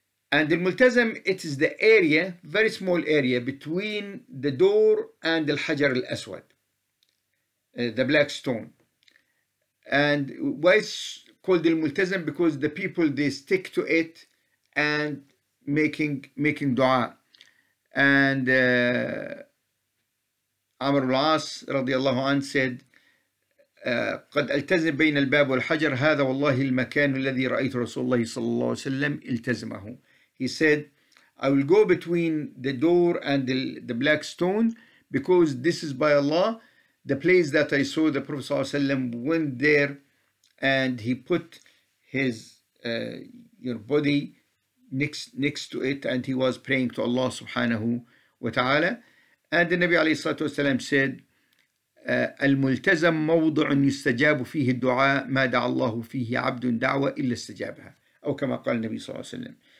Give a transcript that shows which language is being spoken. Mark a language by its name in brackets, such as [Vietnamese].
[English] And Al-Multazam, it is the area, very small area, between the door and Al-Hajar Al-Aswad, the black stone. And why it's called Al-Multazam? Because the people, they stick to it and making dua. And Amr al-As radiallahu anhu said, [Arabic] قد التزم بين الباب والحجر هذا والله المكان الذي رأيت رسول الله صلى الله عليه وسلم التزمه. [English] He said, I will go between the door and the black stone, because this is by Allah the place that I saw the Prophet [Arabic] صلى الله عليه وسلم [English] went there, and he put his body next to it, and he was praying to Allah subhanahu wa ta'ala. And the Nabi [Arabic] عليه الصلاة والسلام said, الملتزم موضع يستجاب فيه الدعاء ما دعا الله فيه عبد دعوة إلا استجابها. أو كما قال النبي صلى الله عليه وسلم.